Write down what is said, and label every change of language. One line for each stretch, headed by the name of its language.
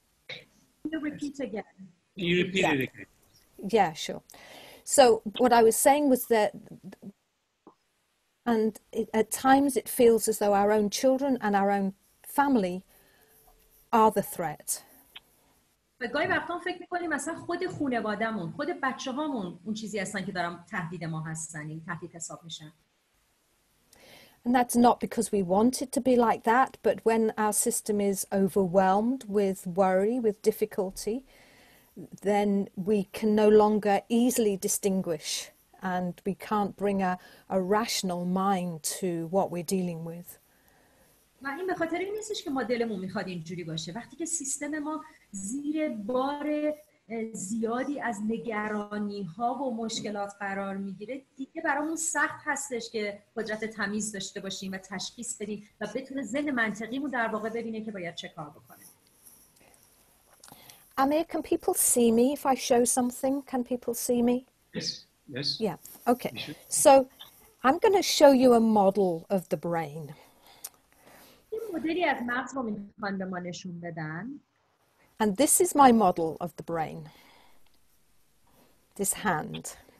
English: Can you repeat again? Can you repeat it again? Yeah, sure. So what I was saying was that at times it feels as though our own children and our own family are the threat.
Persian: و گاهی وقتا فکر میکنیم مثلا خود خانوادهمون، خود بچه‌هامون اون چیزی هستن که دارن تهدید ما هستن، یعنی تهدید حساب میشن.
English: And that's not because we want it to be like that, but when our system is overwhelmed with worry, with difficulty, then we can no longer easily distinguish and we can't bring a rational mind to what we're dealing with.
Persian: و این به خاطر این نیستش که ما دلمون میخواد اینجوری باشه. وقتی که سیستم ما زیر بار زیادی از نگرانی ها و مشکلات قرار میگیره، دیگه برامون سخت هستش که قدرت تمیز داشته باشیم و تشخیص بدیم و بتونه ذهن منطقیمون در واقع ببینه که باید چه کار بکنه.
English: Amir, can people see me if I show something? Can people see me? Yes. Yeah. Okay. So I'm going to show you a model of the brain.
Persian: این مدلی از مغز رو میخوان به ما نشون بدن.
English: And this is my model of the brain. This hand.